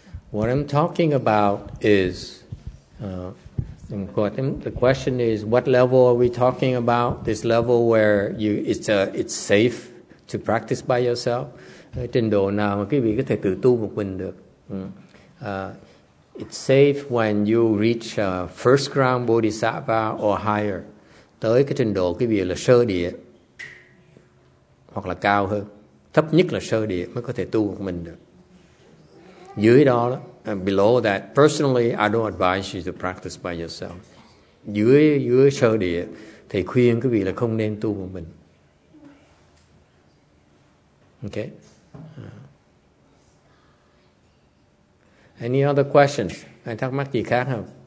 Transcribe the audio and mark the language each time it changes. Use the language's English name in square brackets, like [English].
[English] What I'm talking about is, the question is, what level are we talking about? This level where it's safe to practice by yourself. [Vietnamese] Trình độ nào mà quý vị có thể tự tu một mình được? [English] It's safe when you reach first ground Bodhisattva or higher. [Vietnamese] Tới cái trình độ quý vị là sơ địa hoặc là cao hơn. Thấp nhất là sơ địa mới có thể tu một mình được. Dưới đó, [English] below that, personally, I don't advise you to practice by yourself. [Vietnamese] Dưới sơ địa, thầy khuyên quý vị là không nên tu một mình. Ok. [English] Any other questions? [Vietnamese] Ai thắc mắc gì khác không?